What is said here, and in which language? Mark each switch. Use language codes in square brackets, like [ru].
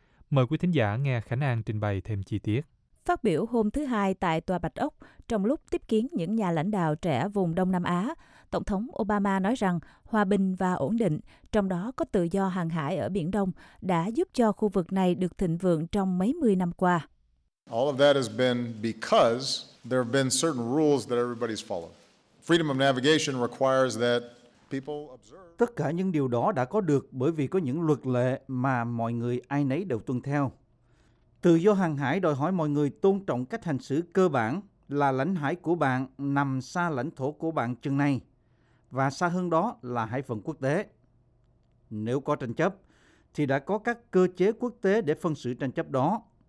[vi] Mời quý thính giả nghe Khánh An trình bày thêm chi tiết. Phát biểu hôm thứ Hai tại Tòa Bạch Ốc, trong lúc tiếp kiến những nhà lãnh đạo trẻ vùng Đông Nam Á, Tổng thống Obama nói rằng hòa bình và ổn định, trong đó có tự do hàng hải ở Biển Đông, đã giúp cho khu vực này được thịnh vượng trong mấy mươi năm qua. [en] All of that has been because there have been certain rules that everybody's followed. Freedom of navigation requires that people observe. [vi] Tất cả những điều đó đã có được bởi vì có những luật lệ mà mọi người ai nấy đều tuân theo. Tự do hàng hải đòi hỏi mọi người tôn trọng cách hành xử cơ bản là lãnh hải của bạn nằm xa lãnh thổ của bạn chừng này. và xa hơn đó là hải phận quốc tế. Nếu có tranh chấp, thì đã có các cơ chế quốc tế để phân xử tranh chấp đó.